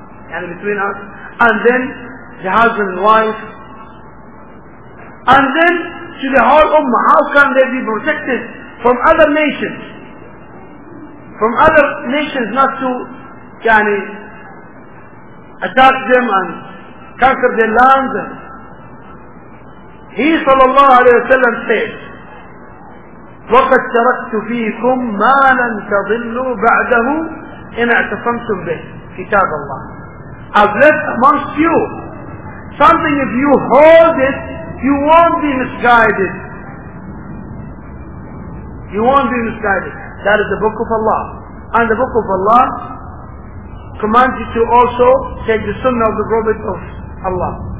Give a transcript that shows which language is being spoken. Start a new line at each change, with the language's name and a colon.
English: يعني between us and then the husband and wife and then to the whole ummah, how can they be protected from other nations, from other nations not to يعني attack them and conquer their land.
Arabic: He صلى الله عليه وسلم said وقد تركت فيكم ما لن تضلوا بعده إن اعتصمتم به كتاب الله.
English: I've left amongst you something, if you hold it you won't be misguided, you won't be misguided. That is the book of Allah, and the book of Allah commands you to also take the sunnah of the Prophet of Allah.